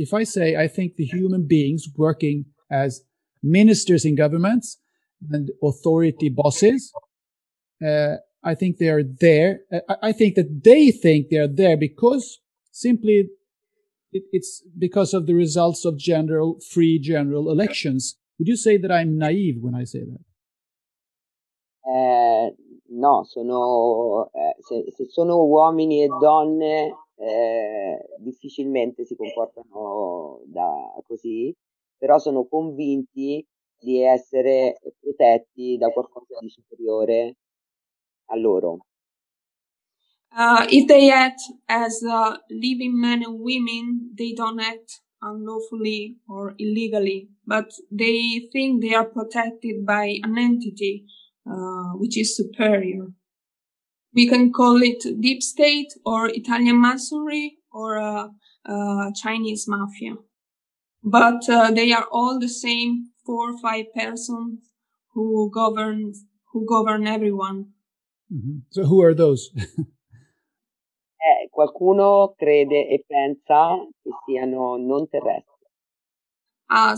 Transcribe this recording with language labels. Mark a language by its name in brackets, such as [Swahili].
[English] If I say I think the human beings working as ministers in governments and authority bosses, I think they are there. I think that they think they are there because simply it's because of the results of free general elections. Would you say that I'm naive when I say that? [Italian] No, sono se sono uomini e donne difficilmente si comportano da così, però sono convinti di essere protetti da qualcosa di superiore a loro. [English] If they act as living men and women, they don't act unlawfully or illegally, but they think they are protected by an entity which is superior. We can call it deep state or Italian masonry or Chinese mafia. But they are all the same four or five persons who govern everyone. Mm-hmm. So who are those? [Italian] Qualcuno crede e pensa che siano non terrestri.